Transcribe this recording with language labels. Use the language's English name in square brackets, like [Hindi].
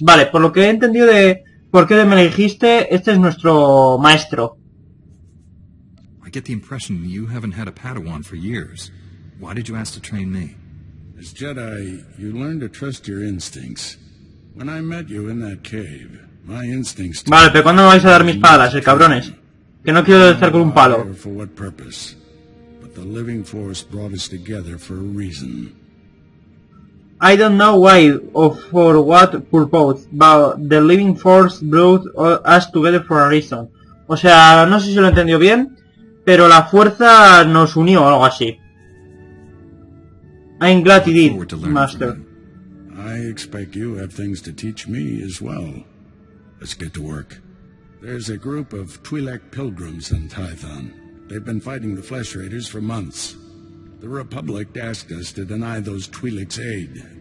[Spanish] Vale, por lo que he entendido de por qué me elegiste, este es nuestro maestro. [English] Get the impression you haven't had a Padawan for years. Why did you ask to train me? As Jedi, you learn to trust your instincts. When I met you in that cave, my instincts... [Spanish] Vale, pero ¿cuándo me vais a dar mis palas, cabrones? Que no quiero estar con un palo. [English] For what purpose? But the living force brought us together for a reason. I don't know why or for what purpose, but the living force brought us together for a reason. [Spanish] O sea, no sé si lo entendió bien. Pero la fuerza nos unió, o algo así. [English] I'm glad you did, Master. I expect you have things to teach me as well. Let's get to work. There's a group of Twi'lek pilgrims in Tython. They've been fighting the Flesh Raiders for months. The Republic asked us to deny those Twi'leks aid.